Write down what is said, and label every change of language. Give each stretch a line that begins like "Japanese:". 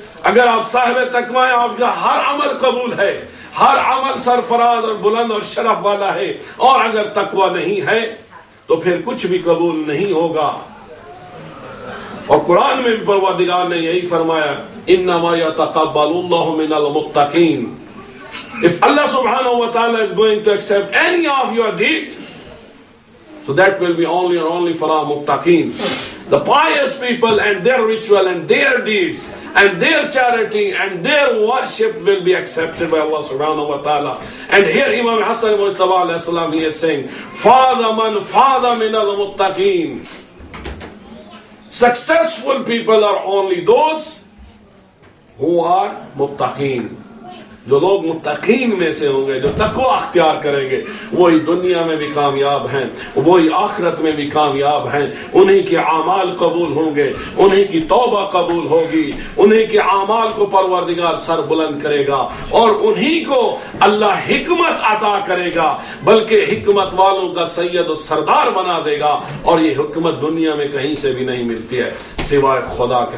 Urdu: اگر آپ صاحب تقویٰ ہیں, آپ کا ہر عمل قبول ہے, ہر عمل سرفراز اور بلند اور شرف والا ہے, اور اگر تقویٰ نہیں ہے تو پھر کچھ بھی قبول نہیں ہوگا. اور قرآن میں بھی پروردگار نے یہی فرمایا,
Arabic: اِنَّمَا يَتَقَبَّلُ اللَّهُ مِنَ الْمُتَّقِينَ.
English: If Allah subhanahu wa ta'ala is going to accept any of your deed, so that will be only and only for our muttaqeen. The pious people and their ritual and their deeds and their charity and their worship will be accepted by Allah subhanahu wa ta'ala. And here Imam Hassan Mujtaba alayhi salam, he is saying,
Arabic: Fadha man fadha min al muttaqeen.
English: Successful people are only those who are muttaqeen.
Urdu: جو لوگ متقین میں سے ہوں گے، جو تقوا اختیار کریں گے، وہی دنیا میں بھی کامیاب ہیں، وہی آخرت میں بھی کامیاب ہیں، انہیں کے اعمال قبول ہوں گے، انہیں کی توبہ قبول ہوگی، انہیں کے اعمال کو پروردگار سر بلند کرے گا، اور انہیں کو اللہ حکمت عطا کرے گا، بلکہ حکمت والوں کا سید و سردار بنا دے گا، اور یہ حکمت دنیا میں کہیں سے بھی نہیں ملتی ہے سوائے خدا کے.